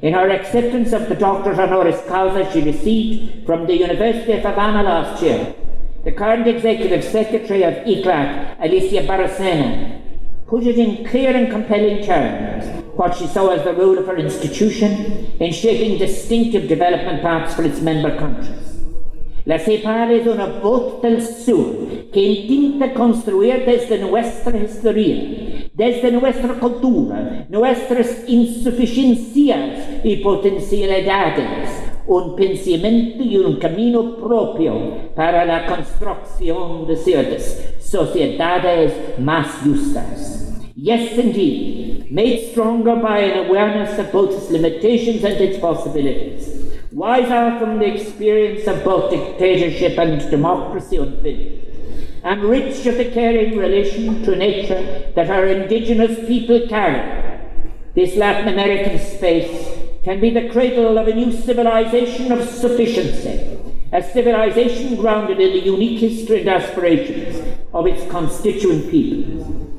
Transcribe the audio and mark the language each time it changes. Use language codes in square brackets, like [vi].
[en] In her acceptance of the doctor's honoris causa she received from the University of Havana last year, the current executive secretary of ICLAC, Alicia Barracena, put it in clear and compelling terms what she saw as the role of her institution in shaping distinctive development paths for its member countries. [es] Laissez-parler es una voz del sur que intenta construir desde nuestra historia, desde nuestra cultura, nuestras insuficiencias y potencialidades, un pensamiento y un camino propio para la construcción de ciertas sociedades más justas. [en] Yes, indeed, made stronger by an awareness of both its limitations and its possibilities, wiser from the experience of both dictatorship and democracy unfinished, and rich of the caring relation to nature that our indigenous people carry, this Latin American space can be the cradle of a new civilization of sufficiency, a civilization grounded in the unique history and aspirations of its constituent peoples.